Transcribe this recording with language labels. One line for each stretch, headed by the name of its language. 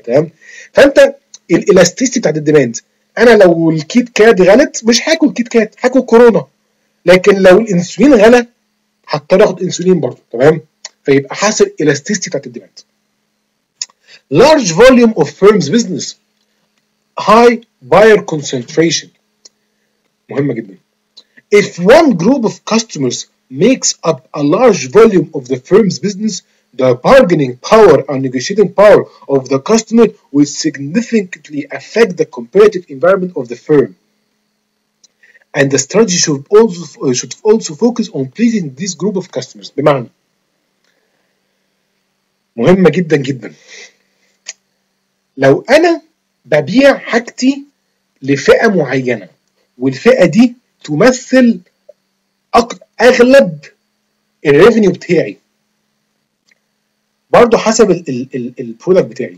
Arabic: تمام، فانت الالاستيستي بتاعت الديماند، انا لو الكيت كات غلط مش هاكل كيت كات، هاكل كورونا، لكن لو الانسولين غلى هضطر اخد انسولين برضه. تمام، فيبقى حاسب الالاستيستي بتاعت الديماند.
English: Large volume of firms business high buyer concentration, مهمه جدا. If one group of customers makes up a large volume of the firm's business, the bargaining power and negotiating power of the customer will significantly affect the competitive environment of the firm. And the strategy should also focus on pleasing this group of customers.
Arabic: بمعنى مهمة جدا جدا، لو أنا ببيع حاجتي لفئة معينة والفئة دي تمثل أغلب الريفنيو بتاعي برضو حسب البرودكت بتاعي.